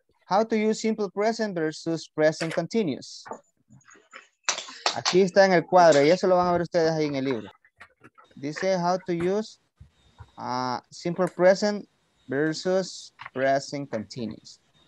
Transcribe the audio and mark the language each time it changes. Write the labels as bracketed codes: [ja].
[en] How to use simple present versus present continuous. [es] Aquí está en el cuadro y eso lo van a ver ustedes ahí en el libro. Dice [en] how to use simple present versus present continuous.